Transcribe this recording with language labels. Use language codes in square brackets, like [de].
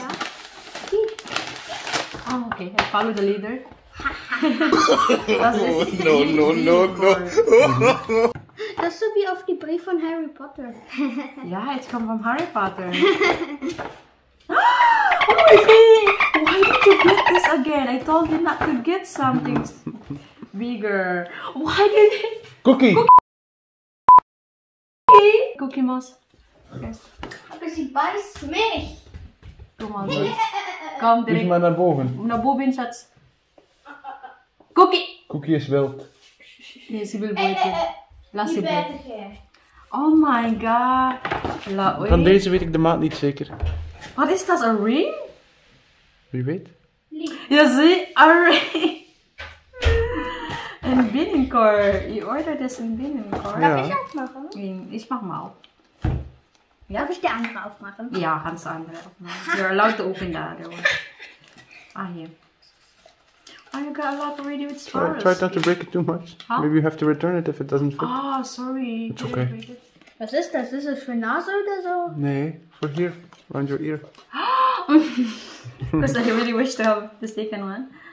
[en] one? Ja. Oh, oké. Okay. Follow the leader. Haha. Oh, no, no, no, no. [nl] Dat is zo wie op die brief van Harry Potter. Ja, het komt van Harry Potter. [en] Oh, why did you get this again? I told him not to get something bigger. Why did he... Cookie! Cookie Moss. [nl] Maar ze bijst mij. Kom maar. Kom direct. Moet maar naar boven. Naar boven, schat. Cookie! Cookie is wild. Nee, ze wil buiten. Laat ze buiten. [en] Oh my god. [nl] Van deze weet ik de maat niet zeker. Wat is dat, een ring? Wie weet. Nee. Ja, zie, een ring. Een binnenkor. Je ordert dus een binnenkor. Ja. Mag ik afmaken? Ik mag hem al. Ja? Mag ik de andere afmaken? Ja, gaan ze andere afmaken. [en] You're allowed to open that. Ah, [nl] hier. [en] Oh, you got a lot already with sparrows. Try not to break it too much. Huh? Maybe you have to return it if it doesn't fit. Oh, sorry. It's okay. [nl] Wat is dat? Is dat voor naast of zo? Nee, voor hier. [en] Around your ear. Because I really wish to have the second one.